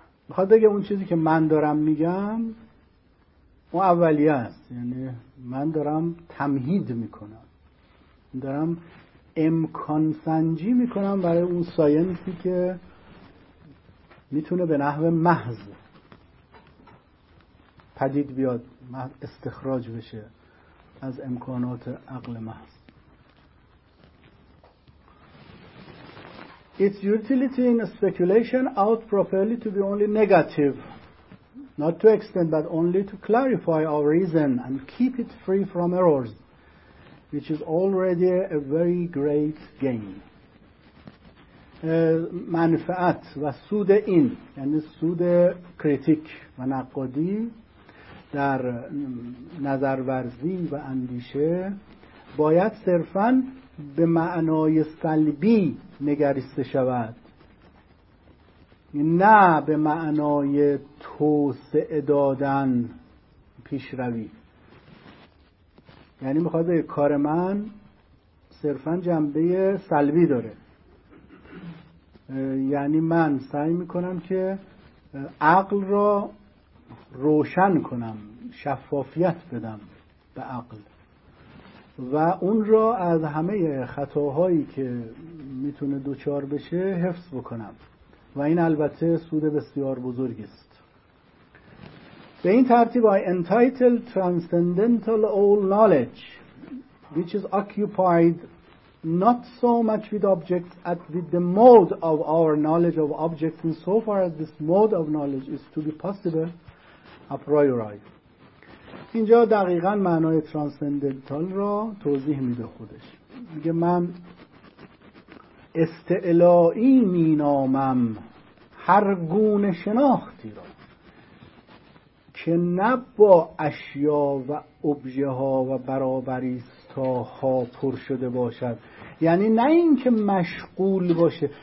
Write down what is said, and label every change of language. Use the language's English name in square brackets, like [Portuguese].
[Persian] بخواد بگه اون چیزی که من دارم میگم اون اولیه است، یعنی من دارم تمهید میکنم، دارم امکان سنجی میکنم برای اون ساینسی که میتونه به نحو محض پدید بیاد، استخراج بشه از امکانات عقل محض. [English] Its utility in speculation ought properly to be only negative, not to extend, but only to clarify our reason and keep it free from errors, which is already a very great gain. [Persian] منفعت و سود این، یعنی سود کریتیک و نقادی در نظرورزی و اندیشه، باید صرفاً به معنای سلبی نگریسته شود، نه به معنای توسعه دادن پیش روی. یعنی میخواد یک کار من صرفاً جنبه سلبی داره، یعنی من سعی میکنم که عقل را روشن کنم، شفافیت بدم به عقل و اون را از همه خطاهایی که میتونه دوچار بشه حفظ بکنم، و این البته سود بسیار بزرگی است. به این ترتیب [English] I entitled transcendental all knowledge which is occupied not so much with objects as with the mode of our knowledge of objects in so far as this mode of knowledge is to be possible a priori. [Persian] اینجا دقیقا معنای ترانسندنتال را توضیح میده خودش. میگه من استعلائی مینامم هر گونه شناختی را که نه با اشیا و ابژه ها و برابریستاها پر شده باشد، یعنی نه این که مشغول باشه.